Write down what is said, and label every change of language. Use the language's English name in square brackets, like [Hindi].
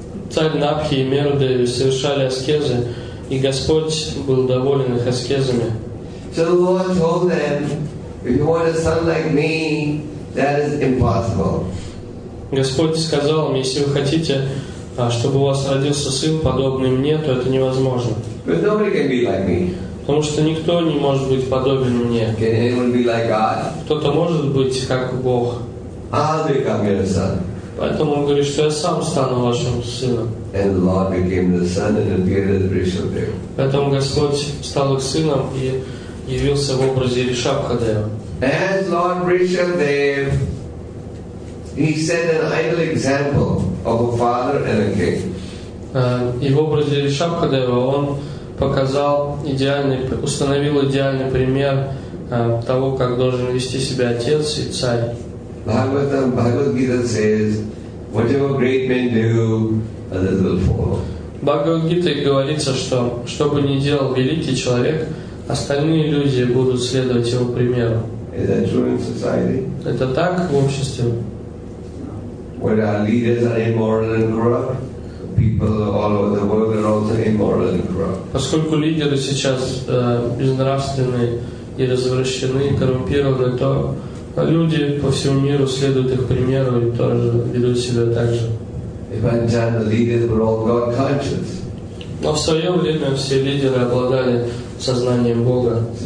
[Russian] Царь Набхи и Меру Деви совершали аскезы, и Господь был доволен их аскезами. [English] So the Lord told them, if you want a son like me, that is impossible. [Russian] Господь сказал им, если вы хотите, чтобы у вас родился сын подобный мне, то это невозможно. [English] But nobody can be like me. [Russian] Потому что никто не может быть подобен мне. [English] Can anyone be like God? [Russian] Кто-то может быть как Бог. [English] I'll become your son. [Russian] Поэтому он говорит, что я сам стану вашим сыном. [English] And the Lord became the son and appeared as Ришабхадева. [Russian] Поэтому Господь стал их сыном и явился в образе Ришабхадева. [English] And Lord Ришабхадева, he set an ideal example of a father and a king. [Russian] И в образе Ришабхадева он показал установил идеальный пример того, как должен вести себя отец и царь. [English] Bhagavatam, Bhagavad Gita says, whatever great men do, others will follow. [Russian] Bhagavad Gita говорится, что бы ни делал великий человек, остальные люди будут следовать его примеру. [English] Is that true in society? [Russian] Это так в обществе? [English] When our leaders are immoral and corrupt, people all over the world are also immoral and corrupt. [Russian] Поскольку лидеры сейчас безнравственные и развращены, коррумпированы, то люди по всему миру следуют их примеру и тоже ведут себя так же. [English] Evangelical leaders were all God conscious. [Russian] Но в свое время все лидеры обладали сознанием Бога.